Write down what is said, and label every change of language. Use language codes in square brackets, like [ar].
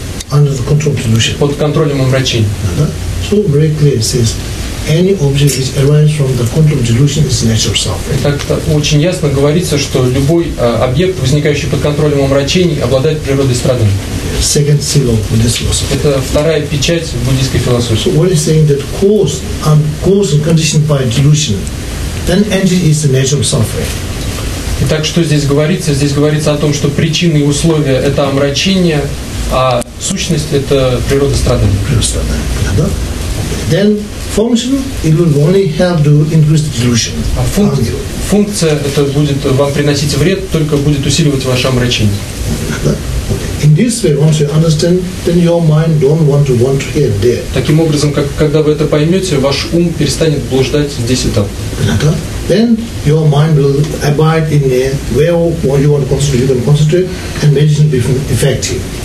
[en] under the control of delusion. [ru] Под контролем омрачения. [en] So very clear says any object which arises from the control of delusion is natural suffering. [ru] Так очень ясно говорится, что любой объект, возникающий под контролем омрачений, обладает природой страданий. [en] Second seal of Buddhist philosophy. [ru] Это вторая печать буддийской философии. [en] So what is saying that cause and cause and conditioned by delusion, then entity is the nature of suffering. [ru] Итак, что здесь говорится? Здесь говорится о том, что причины и условия – это омрачение, а сущность – это природа страдания. Природа страдания. Да? [en] Then function it will only help to increase the delusion. [ru] А функция это будет вам приносить вред, только будет усиливать ваше омрачение. [en] In this way, once you understand, then your mind don't want to wander here, there. [ru] Таким образом, когда вы это поймете, ваш ум перестанет блуждать здесь и там. [en] Then your mind will abide in there, where you want to concentrate, and meditation will be effective.